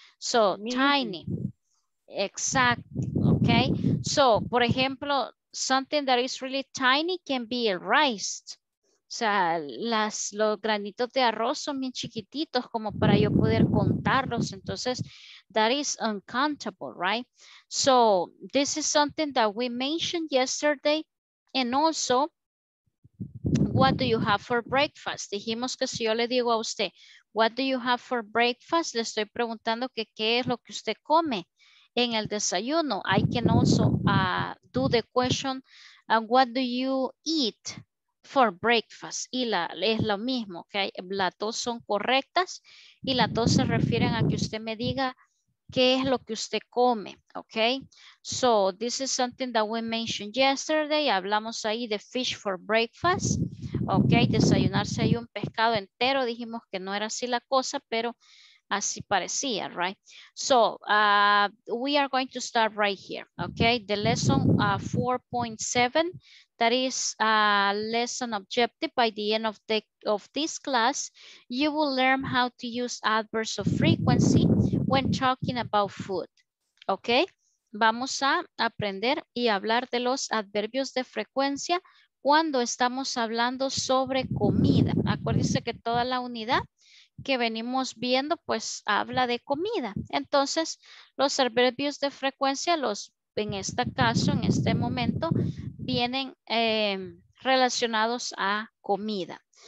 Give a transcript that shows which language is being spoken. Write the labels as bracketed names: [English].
[English] So, tiny. Exacto. Okay, so, por ejemplo, something that is really tiny can be rice. [Spanish] O sea, los granitos de arroz son bien chiquititos como para yo poder contarlos. [English] Entonces, that is uncountable, right? So, this is something that we mentioned yesterday. And also, what do you have for breakfast? [Spanish] Dijimos que si yo le digo a usted, what do you have for breakfast? Le estoy preguntando que qué es lo que usted come. [English] En el desayuno, I can also do the question, what do you eat for breakfast? [Spanish] Y es lo mismo, okay? Las dos son correctas y las dos se refieren a que usted me diga qué es lo que usted come, okay? [English] So this is something that we mentioned yesterday. [Spanish] Hablamos ahí de fish for breakfast, okay? Desayunarse ahí un pescado entero, dijimos que no era así la cosa, pero así parecía, right? [English] So, we are going to start right here, okay? The lesson 4.7, that is a lesson objective. By the end of this class, you will learn how to use adverbs of frequency when talking about food, okay? [Spanish] Vamos a aprender y hablar de los adverbios de frecuencia cuando estamos hablando sobre comida. Acuérdense que toda la unidad que venimos viendo, pues habla de comida. Entonces, los adverbios de frecuencia, en este momento, vienen relacionados a comida.